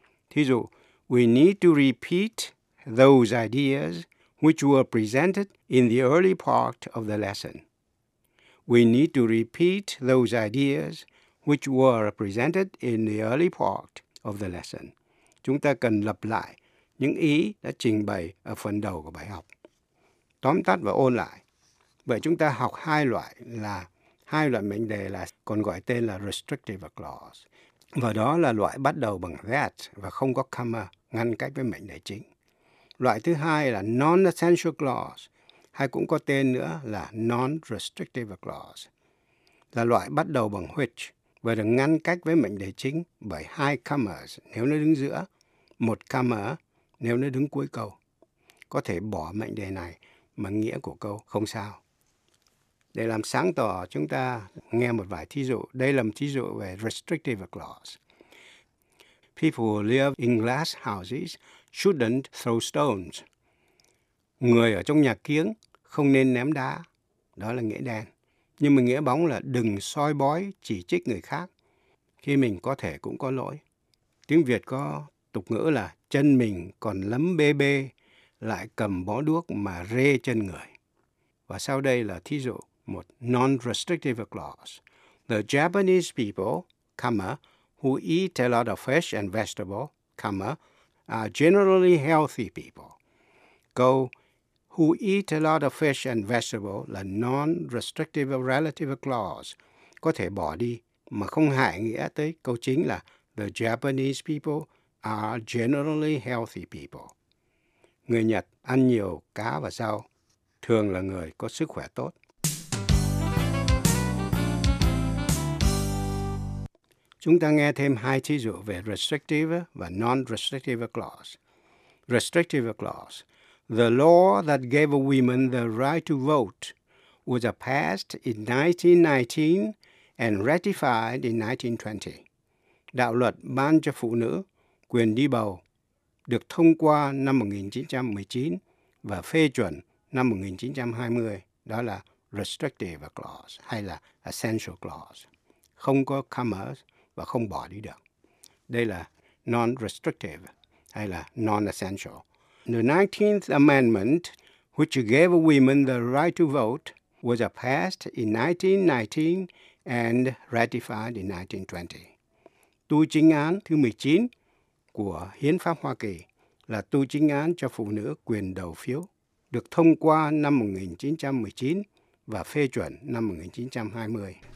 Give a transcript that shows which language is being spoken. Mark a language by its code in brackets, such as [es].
[vi] Thí dụ, [en] we need to repeat those ideas which were presented in the early part of the lesson. We need to repeat those ideas which were presented in the early part of the lesson. [vi] Chúng ta cần lặp lại những ý đã trình bày ở phần đầu của bài học. Tóm tắt và ôn lại. Vậy chúng ta học hai loại mệnh đề là còn gọi tên là restrictive clause. Và đó là loại bắt đầu bằng that và không có comma ngăn cách với mệnh đề chính. Loại thứ hai là non-essential clause, hay cũng có tên nữa là non-restrictive clause, là loại bắt đầu bằng which và được ngăn cách với mệnh đề chính bởi hai commas nếu nó đứng giữa, một comma nếu nó đứng cuối câu. Có thể bỏ mệnh đề này mà nghĩa của câu không sao. Để làm sáng tỏ, chúng ta nghe một vài thí dụ. Đây là một thí dụ về restrictive clause. [en] People who live in glass houses shouldn't throw stones. [vi] Người ở trong nhà kiếng không nên ném đá. Đó là nghĩa đen. Nhưng mà nghĩa bóng là đừng soi bói chỉ trích người khác khi mình có thể cũng có lỗi. Tiếng Việt có tục ngữ là chân mình còn lấm bê bê lại cầm bó đuốc mà rê chân người. Và sau đây là thí dụ một non-restrictive clause. [en] The Japanese people, comma, who eat a lot of fish and vegetables, comma, are generally healthy people. Câu who eat a lot of fish and vegetables là non-restrictive relative clause. [vi] Có thể bỏ đi mà không hại nghĩa tới câu chính là [en] the Japanese people are generally healthy people. [vi] Người Nhật ăn nhiều cá và rau, thường là người có sức khỏe tốt. Chúng ta nghe thêm hai thí dụ về restrictive và non-restrictive clause. [en] Restrictive clause. The law that gave women the right to vote was passed in 1919 and ratified in 1920. [vi] Đạo luật ban cho phụ nữ quyền đi bầu được thông qua năm 1919 và phê chuẩn năm 1920. Đó là restrictive clause hay là essential clause. Không có comma và không bỏ đi được. Đây là non-restrictive hay là non-essential. [en] The 19th Amendment, which gave women the right to vote, was passed in 1919 and ratified in 1920. [vi] Tu chính án thứ 19 của Hiến pháp Hoa Kỳ là tu chính án cho phụ nữ quyền đầu phiếu, được thông qua năm 1919 và phê chuẩn năm 1920.